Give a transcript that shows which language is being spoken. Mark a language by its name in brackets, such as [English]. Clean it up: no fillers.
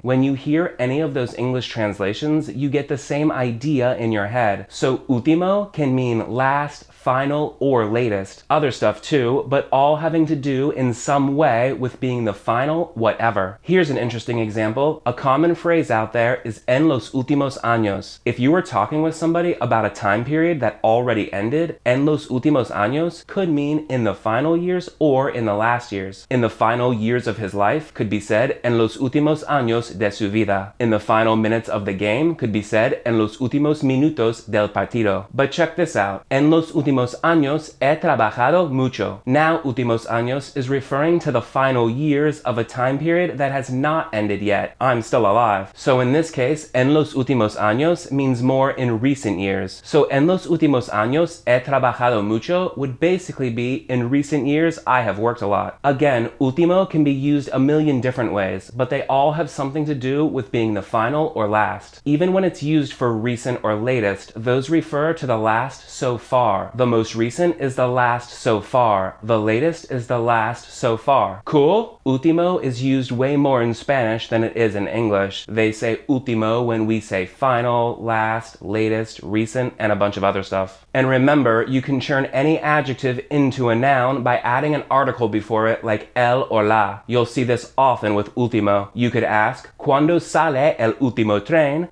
[English] When you hear any of those English translations, you get the same idea in your head. So último can mean last, final, or latest. Other stuff too, but all having to do in some way with being the final whatever. Here's an interesting example. A common phrase out there is [Spanish] en los últimos años. [English] If you were talking with somebody about a time period that already ended, [Spanish] en los últimos años [English] could mean in the final years or in the last years. In the final years of his life could be said [Spanish] en los últimos años de su vida. [English] In the final minutes of the game could be said [Spanish] en los últimos minutos del partido. [English] But check this out. [Spanish] En los últimos años he trabajado mucho. [English] Now, últimos años is referring to the final years of a time period that has not ended yet. I'm still alive. So in this case, [Spanish] en los últimos años [English] means more in recent years. So [Spanish] en los últimos años he trabajado mucho [English] would basically be in recent years I have worked a lot. Again, último can be used a million different ways, but they all have something to do with being the final or last. Even when it's used for recent or latest, those refer to the last so far. The most recent is the last so far. The latest is the last so far. Cool? Último is used way more in Spanish than it is in English. They say último when we say final, last, latest, recent, and a bunch of other stuff. And remember, you can turn any adjective into a noun by adding an article before it, like el or la. You'll see this often with último. You could ask, [Spanish] ¿cuándo sale el último tren?